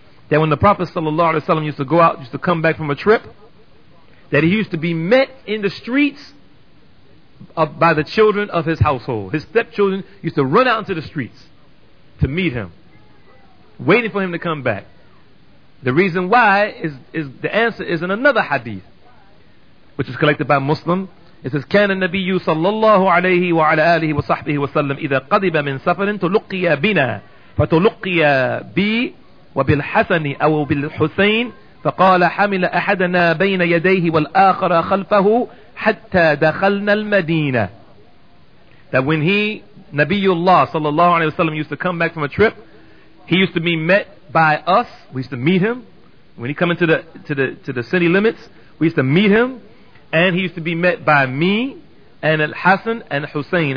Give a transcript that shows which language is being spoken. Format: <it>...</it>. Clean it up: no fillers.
<en>That when the Prophet sallallahu alaihi wasallam used to go out, used to come back from a trip, that he used to be met in the streets by the children of his household. His stepchildren used to run out into the streets to meet him, waiting for him to come back. The reason why is the answer is in another hadith, which is collected by Muslim. It says,</en> <ar>كان النبي صلى الله عليه وعلى آله وصحبه وسلم إذا قدب من سفر تلقي بنا فتلقي بي وبالحسن أو بالحسين فقال حمل أحدنا بين يديه والآخر خلفه حتى دخلنا المدينة.</ar> <en>That when he, Nabiullah sallallahu alayhi wa sallam, used to come back from a trip, he used to be met by us. We used to meet him when he come into the city limits. We used to meet him, and he used to be met by me and Al-Hasan and Hussein.</en>